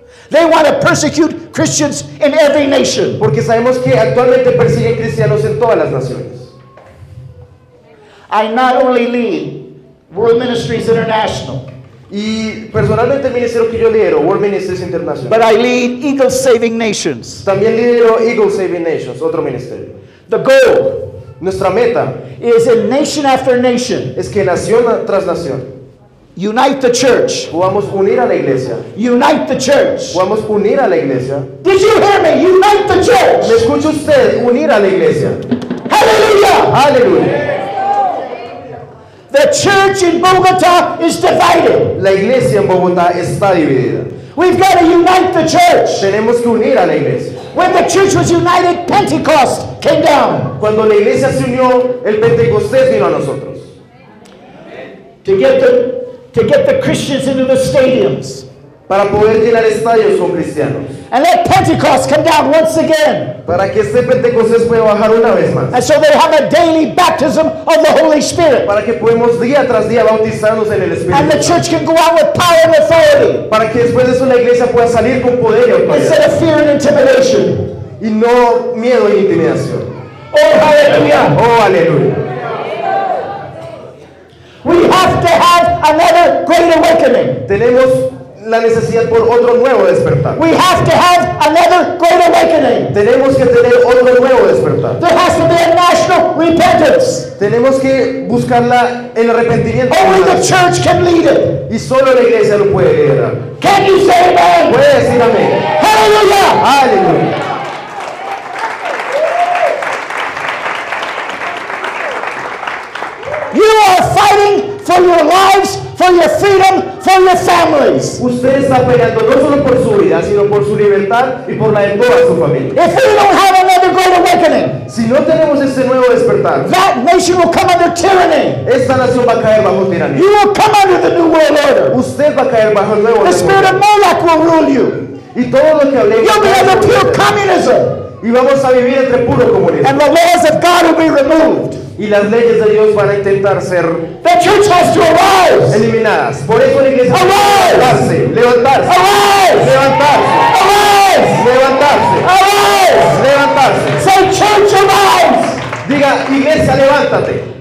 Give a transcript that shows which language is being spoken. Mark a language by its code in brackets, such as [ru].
[en] They want to persecute Christians in every nation. [es] Porque sabemos que actualmente persiguen cristianos en todas las naciones. [en] I not only lead World Ministries International. [es] Y personalmente el ministerio que yo lidero, World Ministries International. [en] But I lead Eagle Saving Nations. [es] También lidero Eagle Saving Nations, otro ministerio. [en] The goal, [es] nuestra meta, [en] is in nation after nation. [es] Es que nación tras nación. [en] Unite the church. [es] Vamos a unir a la iglesia. [en] Unite the church. [es] Vamos a unir a la iglesia. [en] Did you hear me? Unite the church. [es] ¿Me escucha usted? Unir a la iglesia. [en] Hallelujah. [es] Aleluya. [en] The church in Bogota is divided. [es] La iglesia en Bogotá está dividida. [en] We've got to unite the church. [es] Tenemos que unir a la iglesia. [en] When the church was united, Pentecost came down. [es] Cuando la iglesia se unió, el Pentecostés vino a nosotros. [en] To get the Christians into the stadiums. [es] Para poder llenar estadios con cristianos. [en] And let Pentecost come down once again. [es] Para que ese Pentecostés pueda bajar una vez más. [en] And so they have a daily baptism of the Holy Spirit. [es] Para que podamos día tras día bautizarnos en el Espíritu. [en] And the church can go out with power and authority. [es] Para que después de eso la iglesia pueda salir con poder y autoridad. [en] Instead of fear and intimidation. [es] Y no miedo e intimidación. [en] Oh, hallelujah. [es] Oh, aleluya. [en] We have to have another great awakening. [es] Tenemos la necesidad por otro nuevo despertar. [en] We have to have another great awakening. [es] Tenemos que tener otro nuevo despertar. [en] There has to be a national repentance. [es] Tenemos que buscar el arrepentimiento. [en] Only the church can lead it. [es] Y solo la iglesia lo puede liderar. [en] Can you say amen? [es] ¿Puede decir amén? [en] Hallelujah. Hallelujah. for your lives, for your freedom, for your families. [es] Usted está peleando no solo por su vida, sino por su libertad y por la de toda su familia. [en] If we don't have another great awakening, [es] si no tenemos este nuevo despertar, [en] that nation will come under tyranny. [es] Esta nación va a caer bajo tiranía. [en] You will come under the new world order. [es] Usted va a caer bajo el nuevo orden. [en] The spirit of Moloch will rule you. [es] Y todo lo que hablemos, [en] you'll be under pure communism. [es] Y vamos a vivir entre puro comunismo. [en] And the laws of God will be removed. [es] Y las leyes de Dios van a intentar ser eliminadas. Por eso la iglesia levantarse, [en] arise, [es] levantarse, [en] arise, [es] levantarse. [en] Say, church, arise. [es] Diga, iglesia, levántate.